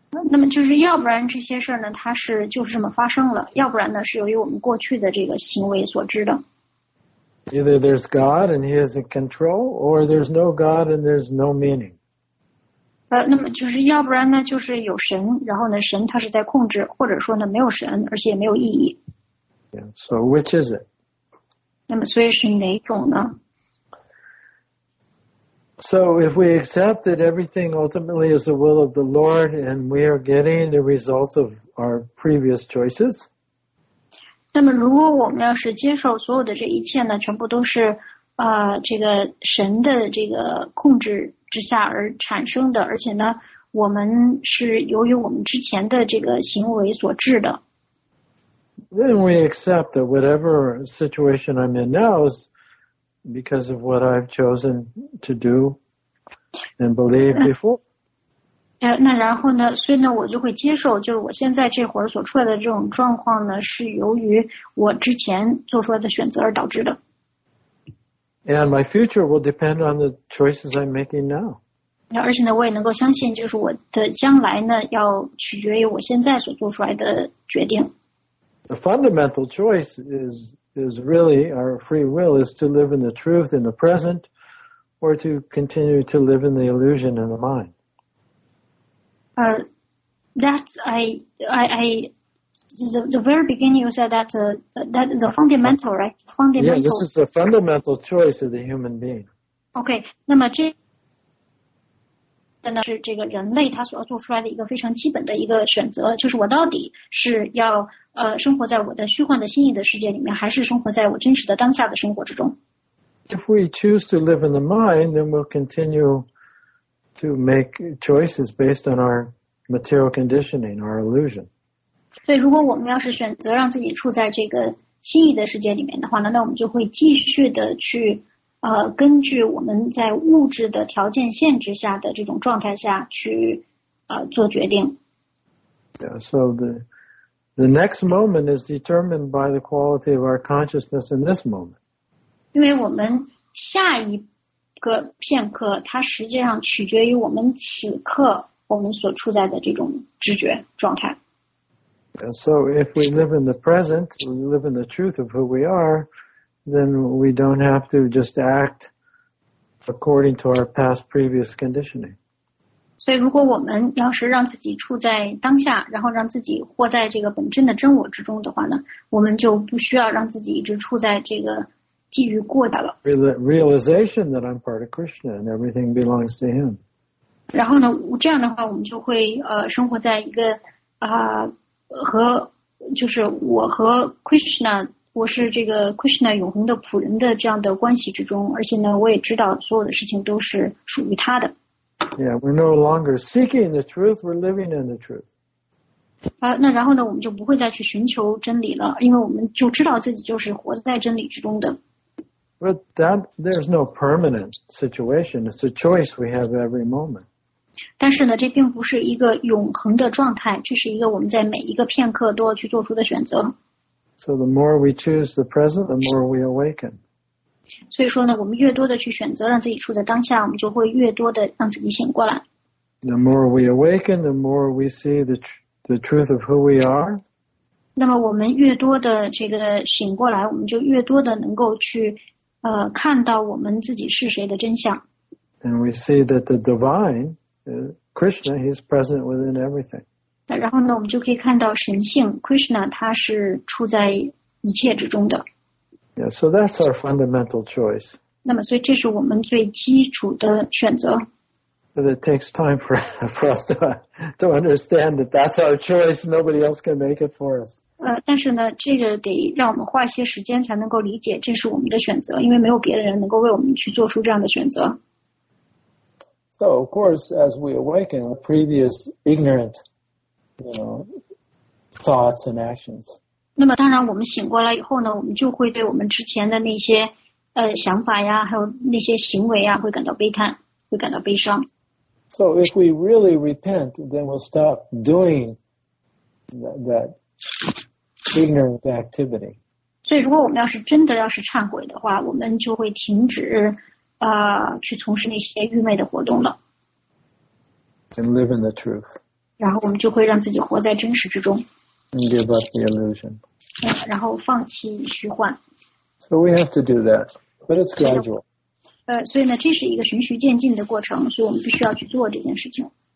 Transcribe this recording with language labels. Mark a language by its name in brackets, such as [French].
[Chinese] 那么就是要不然这些事呢它是就是这么发生了要不然呢是由于我们过去的这个行为所知的 [English] Either there's God and he is in control or there's no God and there's no meaning [Chinese] 那么就是要不然呢就是有神然后呢神他是在控制或者说呢没有神而且也没有意义 [English] yeah, So which is it? [Chinese] 那么所以是哪种呢 [English] So if we accept that everything ultimately is the will of the Lord and we are getting the results of our previous choices, [Chinese] 那么如果我们要是接受所有的这一切呢全部都是这个神的这个控制之下而产生的而且呢我们是由于我们之前的这个行为所致的 [English] Then we accept that whatever situation I'm in now isBecause of what I've chosen to do and believe before. [Chinese] 那然后呢所以呢我就会接受就是我现在这会儿所出来的这种状况呢是由于我之前做出来的选择而导致的。 [English] And my future will depend on the choices I'm making now. [Chinese] 而且呢我也能够相信就是我的将来呢要取决于我现在所做出来的决定。 [English] The fundamental choice is really our free will is to live in the truth in the present or to continue to live in the illusion in the mind. The very beginning you said that is a fundamental, right? Fundamental. Yeah, this is the fundamental choice of the human being. [Chinese] Okay, 那么这是这个人类他所要做出来的一个非常基本的一个选择就是我到底是要生活在我的虚幻的心意的世界里面还是生活在我真实的当下的生活之中 [English] If we choose to live in the mind then we'll continue to make choices based on our material conditioning our illusion [Chinese] 所以如果我们要是选择让自己处在这个心意的世界里面的话呢那我们就会继续的去根据我们在物质的条件限制下的这种状态下去做决定 [English] Yeah, so the next moment is determined by the quality of our consciousness in this moment. [Chinese] 因为我们下一个片刻它实际上取决于我们此刻我们所处在的这种知觉状态 [English] Yeah, So if we live in the present, we live in the truth of who we are,then we don't have to just act according to our past previous conditioning. [Chinese] 所以如果我们要是让自己处在当下然后让自己活在这个本真的真我之中的话呢我们就不需要让自己一直处在这个基于过的了。 [English] Realization that I'm part of Krishna and everything belongs to him. [Chinese] 然后呢这样的话我们就会生活在一个和就是我和 Krishna我是这个 Krishna 永恒的仆人的这样的关系之中而且呢我也知道所有的事情都是属于他的 [English] Yeah, we're no longer seeking the truth, we're living in the truth [Chinese] 那然后呢我们就不会再去寻求真理了因为我们就知道自己就是活在真理之中的 [English] But there's no permanent situation, it's a choice we have every moment [Chinese] 但是呢，这并不是一个永恒的状态，这是一个我们在每一个片刻都要去做出的选择。 [English] So the more we choose the present, the more we awaken. [Chinese] 所以说呢，我们越多的去选择让自己处在当下，我们就会越多的让自己醒过来。 [English] The more we awaken, the more we see the truth of who we are. [Chinese] 那么我们越多的这个醒过来，我们就越多的能够去看到我们自己是谁的真相。 [English] And we see that the divine, Krishna, he's present within everything. [Chinese] 然后呢，我们就可以看到神性 Krishna, 他是处在一切之中的。 [English] Yeah, so that's our fundamental choice. [Chinese] 那么所以这是我们最基础的选择。 [English] But it takes time for us to understand that that's our choice. Nobody else can make it for us. [Chinese] 但是呢，这个得让我们花一些时间才能够理解，这是我们的选择，因为没有别的人能够为我们去做出这样的选择。 [English] So of course, as we awaken, the previous ignorant, you know, thoughts and actions. [Chinese] 那么当然，我们醒过来以后呢，我们就会对我们之前的那些想法呀，还有那些行为啊，会感到悲叹。会感到悲伤。 [English] So if we really repent, then we'll stop doing that ignorant activity. [Chinese] 所以如果我们要是真的要是忏悔的话，我们就会停止去从事那些愚昧的活动了。 [English] And live in the truth. [Chinese] 然后我们就会让自己活在真实之中。 [English] And give up the illusion. [Chinese] 然后放弃虚幻。 [English] So we have to do that, but it's gradual. [Chinese] 所以呢，这是一个循序渐进的过程，所以我们必须要去做这件事情。